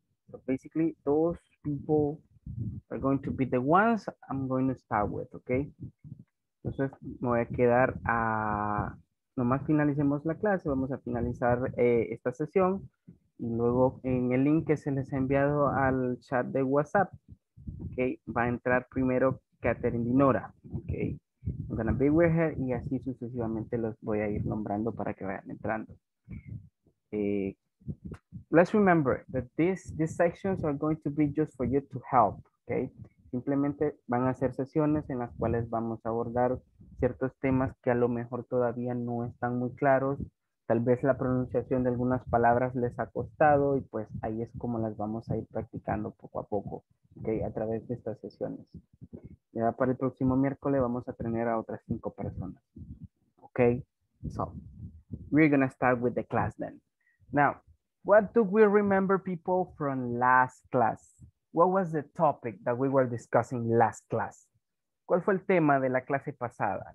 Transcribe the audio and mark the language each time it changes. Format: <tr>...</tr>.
<en>So basically, those people are going to be the ones I'm going to start with, okay?</en> <es>Entonces, me voy a quedar a... nomás finalicemos la clase, vamos a finalizar esta sesión. Y luego en el link que se les ha enviado al chat de WhatsApp, okay, va a entrar primero Catherine Dinora. Okay.</es> <en>I'm gonna be with her</en> <es>y así sucesivamente los voy a ir nombrando para que vayan entrando.</es> <en>Let's remember that these sessions are going to be just for you to help. Okay?</en> <es>Simplemente van a ser sesiones en las cuales vamos a abordar ciertos temas que a lo mejor todavía no están muy claros. Tal vez la pronunciación de algunas palabras les ha costado y pues ahí es como las vamos a ir practicando poco a poco, okay, a través de estas sesiones. Ya para el próximo miércoles vamos a tener a otras 5 personas.</es> <en>Okay, so we're gonna start with the class then. Now, what do we remember, people, from last class? What was the topic that we were discussing last class?</en> <es>¿Cuál fue el tema de la clase pasada?</es>